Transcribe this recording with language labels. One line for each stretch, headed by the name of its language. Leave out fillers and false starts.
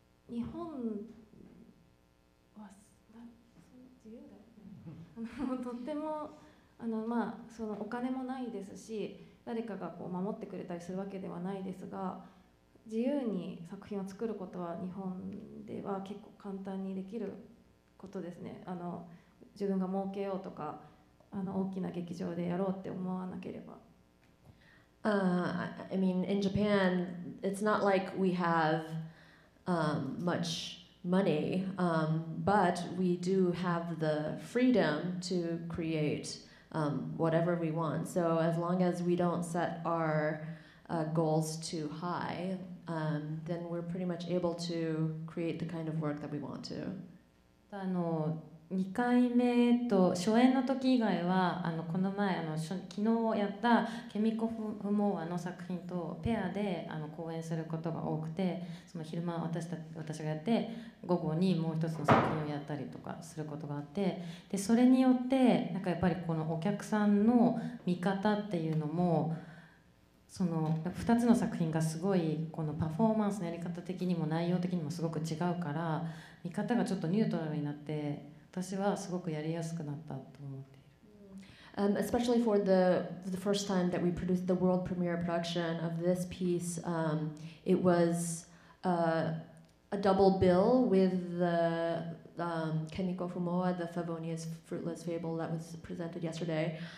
Japanese: 日本は自由だよね。とってもまあ、そのお金もないですし、誰かがこう守ってくれたりするわけではないですが、自由に作品を作ることは日本では結構簡単にできることですね。自分が儲けようとか、大きな劇場でやろうって思わなければ。
English: I mean, in Japan, it's not like we have much money, but we do have the freedom to create whatever we want. So as long as we don't set our goals too high, then we're pretty much able to create the kind of work that we want to.
Japanese: 2回目と初演の時以外はこの前昨日やったケミコ・フモアの作品とペアで公演することが多くて、その昼間私がやって午後にもう一つの作品をやったりとかすることがあって、でそれによってなんかやっぱりこのお客さんの見方っていうのも、その2つの作品がすごいこのパフォーマンスのやり方的にも内容的にもすごく違うから、見方がちょっとニュートラルになって、私はすごくやりやすくなったと思っている。
English: Especially for the first time that we produced the world premiere production of this piece, it was a double bill with the Kemiko Fumoa, the Favonius Fruitless Fable that was presented yesterday.